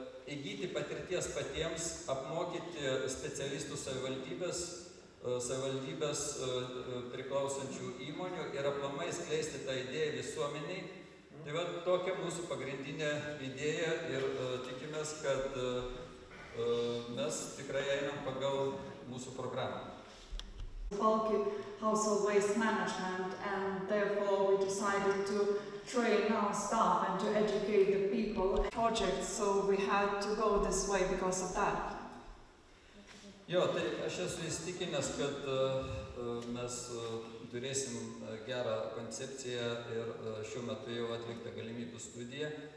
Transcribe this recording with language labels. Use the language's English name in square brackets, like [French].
[Lithuanian] įgyti patirties patiems, apmokyti specialistų savivaldybės priklausančių įmonių ir aplamai skleisti tą idėją visuomeniai. Tai va, tokia mūsų pagrindinė idėja ir tikimės, kad mes tikrai einam pagal mūsų programą. [English] Bulky household waste management, and therefore we decided to train our staff and to educate the people projects, so we had to go this way because of that. [Lithuanian] Jo, tai aš esu įstikinęs, kad mes turėsim gerą koncepciją ir šiuo metu jau atlikta galimybių studija.